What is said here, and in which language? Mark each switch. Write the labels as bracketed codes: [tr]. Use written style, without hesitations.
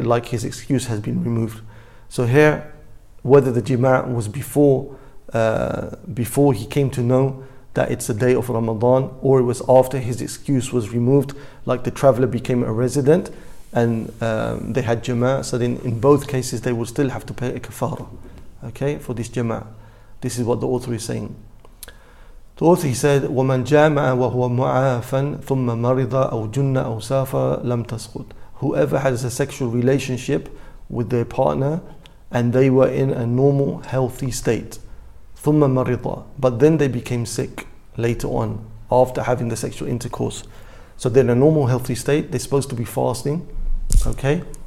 [en] Like his excuse has been removed. So here, whether the jima' was before he came to know that it's a day of Ramadan, or it was after his excuse was removed, like the traveler became a resident and they had jama'ah, so then in both cases they will still have to pay a kafara, okay, for this jama'ah. This is what the author is saying. [ar] The author, he said, وَمَنْ جَامَعَ وَهُوَ مُعَافًا ثُمَّ مَرِضَ أَوْ جُنَّ أَوْ سَافَرَ لَمْ تَسْقُدْ. [en] Whoever has a sexual relationship with their partner and they were in a normal healthy state, [ar] ثُمَّ مَرِضَ, [en] but then they became sick later on after having the sexual intercourse. So they're in a normal healthy state, they're supposed to be fasting, okay?